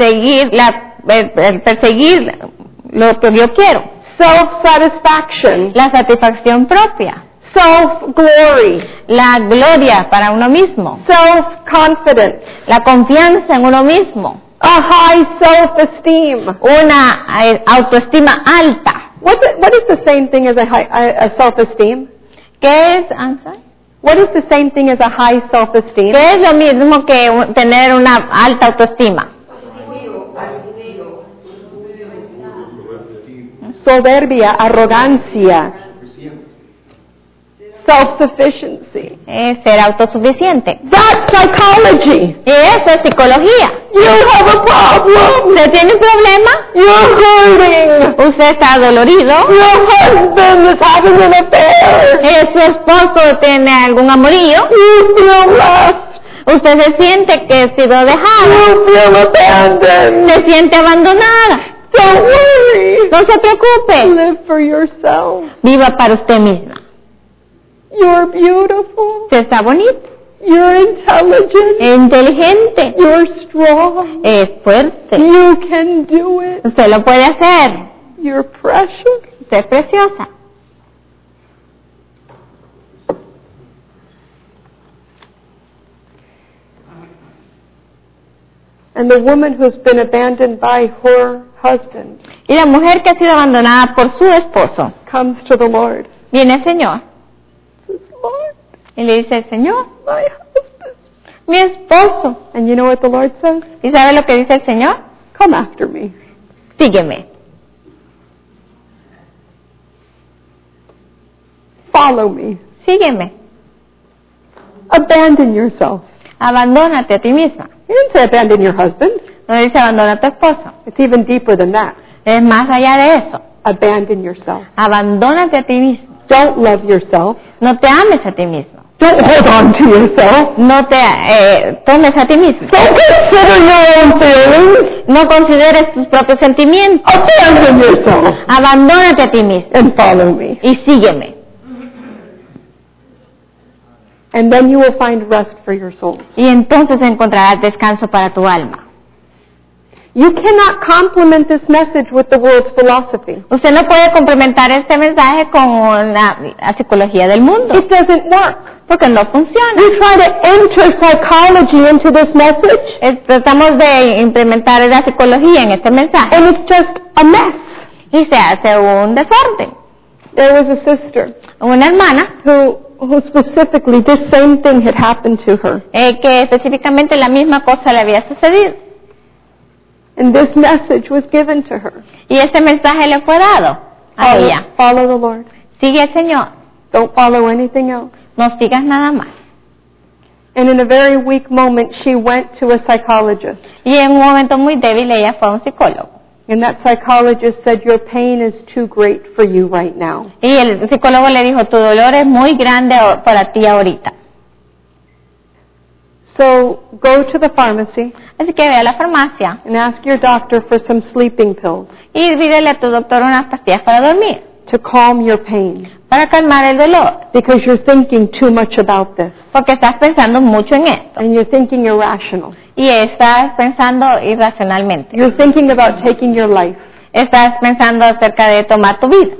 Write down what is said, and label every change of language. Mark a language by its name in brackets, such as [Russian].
[Spanish] El perseguir lo que yo quiero. [English] Self satisfaction. [Spanish] La satisfacción propia. [English] Self-glory. [Spanish] La gloria para uno mismo. [English] Self-confidence. [Spanish] La confianza en uno mismo. [English] A high self-esteem. [Spanish] Una autoestima alta. [English] What is the same thing as a self-esteem? [Spanish] ¿Qué es, [English] I'm sorry? What is the same thing as a high self-esteem? [Spanish] ¿Qué es lo mismo que tener una alta autoestima? Soberbia, arrogancia. [English] Self-sufficiency. [Spanish] Ser autosuficiente. [English] That's psychology. [Spanish] Eso es psicología. [English] You have a problem. [Spanish] ¿Usted tiene un problema? [English] You're hurting. [Spanish] ¿Usted está dolorido? [English] Your husband is having an affair. [Spanish] ¿Su esposo tiene algún amorío? [English] You feel left. [Spanish] ¿Usted se siente que ha sido dejado? [English] You feel abandoned. [Spanish] ¿Se siente abandonada? [English] Don't worry. [Spanish] No se preocupe. [English] Live for yourself. [Spanish] Viva para usted misma. [English] You're beautiful. [Spanish] Se está bonito. [English] You're intelligent. [Spanish] Inteligente. [English] You're strong. [Spanish] Es fuerte. [English] You can do it. [Spanish] Usted lo puede hacer. [English] You're precious. [Spanish] Usted es preciosa. [English] And the woman who's been abandoned by her husband. [Spanish] Y la mujer que ha sido abandonada por su esposo. [English] Comes to the Lord. [Spanish] Viene el Señor. [English] Lord, [Spanish] y le dice, Señor, [English] my husband, [Spanish] mi esposo. [English] And you know what the Lord says? [Spanish] ¿Y sabe lo que dice el Señor? [English] Come after me. [Spanish] Sígueme. [English] Follow me. [Spanish] Sígueme. [English] Abandon yourself. [Spanish] Abandónate a ti misma. [English] He didn't say abandon your husband. [Spanish] No dice abandona a tu esposo. [English] It's even deeper than that. [Spanish] Es más allá de eso. [English] Abandon yourself. [Spanish] Abandónate a ti misma. [English] Don't love yourself. [Spanish] No te ames a ti mismo. [English] Don't hold on to yourself. [Spanish] No te tomes a ti mismo. [English] Don't consider your own feelings. [Spanish] No consideres tus propios sentimientos. [English] Abandon yourself. [Spanish] Abandónate a ti mismo. [English] And follow me. [Spanish] Y sígueme. [English] And then you will find rest for your soul. [Spanish] Y entonces encontrarás descanso para tu alma. [English] You cannot complement this message with the world's philosophy. [Spanish] Usted no puede complementar este mensaje con la psicología del mundo. [English] It doesn't work. [Spanish] Porque no funciona. [English] We try to enter psychology into this message. [Spanish] Tratamos de implementar la psicología en este mensaje. [English] And it's just a mess. [Spanish] Y se hace un desorden. [English] There was a sister. [Spanish] Una hermana. [English] Who specifically this same thing had happened to her. [Spanish] Que específicamente la misma cosa le había sucedido. [English] And this message was given to her. [Spanish] Y este mensaje le fue dado a ella. [English] Follow the Lord. [Spanish] Sigue al Señor. [English] Don't follow anything else. [Spanish] No sigas nada más. [English] And in a very weak moment, she went to a psychologist. [Spanish] Y en un momento muy débil, ella fue a un psicólogo. [English] And that psychologist said, "Your pain is too great for you right now." [Spanish] Y el psicólogo le dijo, "Tu dolor es muy grande para ti ahorita." [English] So go to the pharmacy. [Spanish] Así que ve a la farmacia. [English] And ask your doctor for some sleeping pills. [Spanish] Y pídele a tu doctor unas pastillas para dormir. [English] To calm your pain. [Spanish] Para calmar el dolor. [English] Because you're thinking too much about this. [Spanish] Porque estás pensando mucho en esto. [English] And you're thinking irrational. [Spanish] Y estás pensando irracionalmente. [English] You're thinking about taking your life. [Spanish] Estás pensando acerca de tomar tu vida.